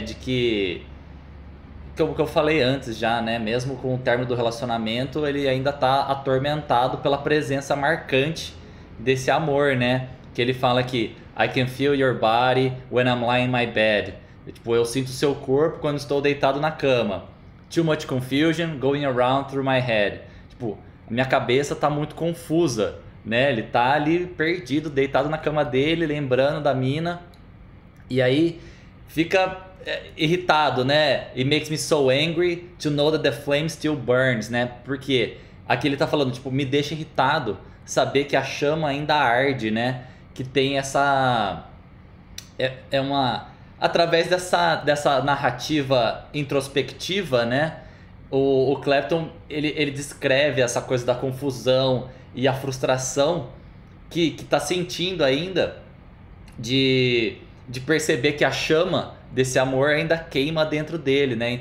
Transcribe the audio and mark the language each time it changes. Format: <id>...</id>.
<pt>De que, como que eu falei antes já, né? Mesmo com o término do relacionamento, ele ainda tá atormentado pela presença marcante desse amor, né? Que ele fala que</pt> <en>I can feel your body when I'm lying in my bed.</en> <pt>Tipo, eu sinto seu corpo quando estou deitado na cama.</pt> <en>Too much confusion going around through my head.</en> <pt>Tipo, a minha cabeça tá muito confusa, né? Ele tá ali perdido, deitado na cama dele, lembrando da mina. E aí fica irritado, né?</pt> <en>It makes me so angry to know that the flame still burns, né?</en> <pt>Porque aqui ele tá falando, tipo, me deixa irritado saber que a chama ainda arde, né? Que tem essa. É uma. Através dessa narrativa introspectiva, né, o Clapton ele descreve essa coisa da confusão e a frustração que está sentindo ainda de perceber que a chama desse amor ainda queima dentro dele, né?</pt>